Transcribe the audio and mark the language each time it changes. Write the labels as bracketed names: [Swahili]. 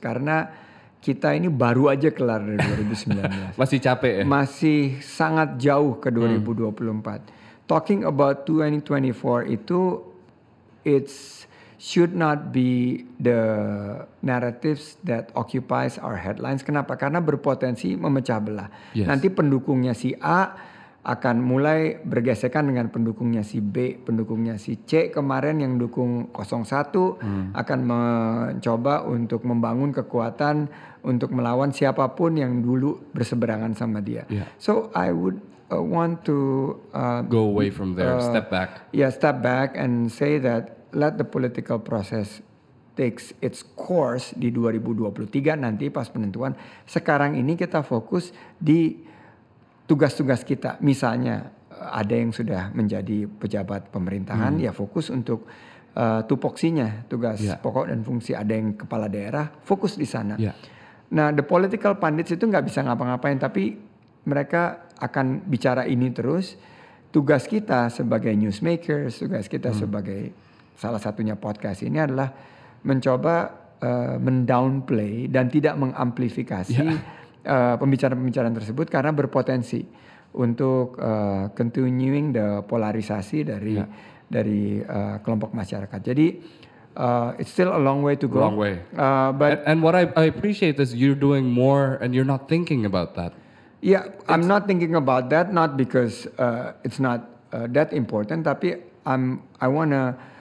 [Indonesian] Karena kita ini baru aja kelar dari 2019. Masih capek ya? Masih sangat jauh ke 2024. [English] Talking about 2024 itu, it should not be the narratives that occupies our headlines. [Indonesian] Kenapa? Karena berpotensi memecah belah. [English] Yes. [Indonesian] Nanti pendukungnya si A akan mulai bergesekan dengan pendukungnya si B, pendukungnya si C. Kemarin yang dukung 01 akan mencoba untuk membangun kekuatan untuk melawan siapapun yang dulu berseberangan sama dia. [English] So I would want to go away from there, step back. Yeah, step back and say that let the political process takes its course [Indonesian] di 2023 nanti pas penentuan. Sekarang ini kita fokus di tugas-tugas kita. Misalnya ada yang sudah menjadi pejabat pemerintahan, ya fokus untuk tupoksinya, tugas pokok dan fungsi. Ada yang kepala daerah, fokus di sana. Nah, [English] the political pundits [Indonesian] itu nggak bisa ngapa-ngapain, tapi mereka akan bicara ini terus. Tugas kita sebagai newsmakers, tugas kita sebagai salah satunya podcast ini adalah mencoba mendownplay dan tidak mengamplifikasi pembicaraan-pembicaraan tersebut karena berpotensi untuk [English] continuing the [Indonesian] polarisasi dari kelompok masyarakat. Jadi [English] it's still a long way to go. Long way. But what I appreciate is you're doing more and you're not thinking about that. Yeah, I'm not thinking about that, not because it's not that important, [Indonesian] tapi [English] I wanna